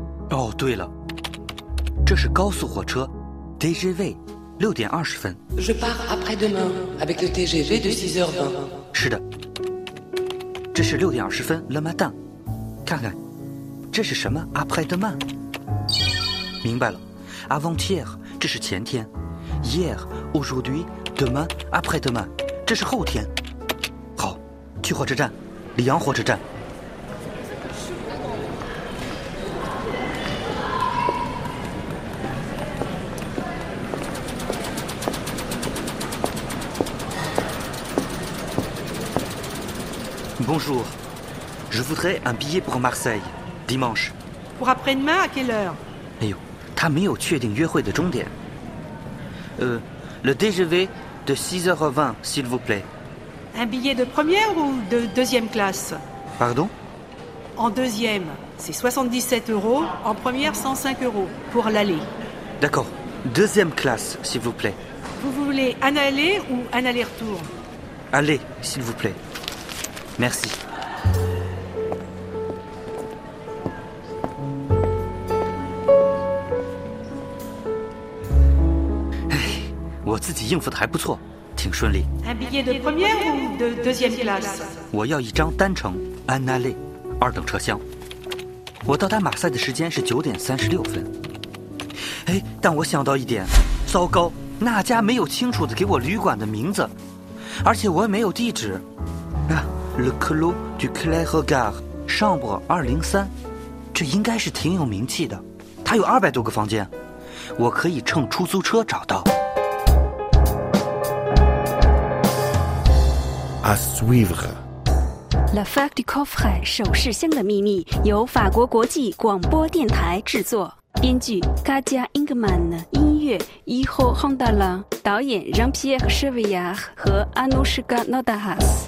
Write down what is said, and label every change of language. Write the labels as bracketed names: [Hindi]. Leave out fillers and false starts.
[Chinese] Oh, 对了，这是高速火车，TGV。 6点20分。 [French] Je pars après-demain avec le TGV de 6h20. [Chinese] 是的，这是6点20分 [French] le matin。 [Chinese] 看看，这是什么 [French] après-demain？ [Chinese] 明白了 ， [French] avant-hier [Chinese] 这是前天 ， [French] hier aujourd'hui demain après-demain [Chinese] 这是后天。好，去火车站，里昂火车站。 [French] Bonjour, je voudrais un billet pour Marseille, dimanche. Pour après-demain, à quelle heure? [Chinese] Eh oh, 他没有确定约会的终点。 [French] Le TGV de 6h20, s'il vous plaît. Un billet de première ou de deuxième classe? Pardon? En deuxième, c'est 77 euros, en première, 105 euros, pour l'aller. D'accord, deuxième classe, s'il vous plaît. Vous voulez un aller ou un aller-retour? Aller, s'il vous plaît. Merci. [Chinese] Hey, 我自己应付的还不错，挺顺利。 [French] Un billet de première ou de deuxième classe? [Chinese] 我要一张单程 ， [French] un aller， [Chinese] 二等车厢。我到达马赛的时间是9点36分。哎，但我想到一点，糟糕，那家没有清楚的给我旅馆的名字，而且我也没有地址。 [French] Le clos du Clair-Gare, chambre 203. [Chinese] 这应该是挺有名气的，它有200多个房间，我可以乘出租车找到。 [French] À suivre. L'affaire du coffret, [Chinese] 首饰箱的秘密，由法国国际广播电台制作。编剧 Katia Ingman， 音乐 Iho Hondala， 导演 Jean-Pierre Chevillard 和 Anushka Nodahas。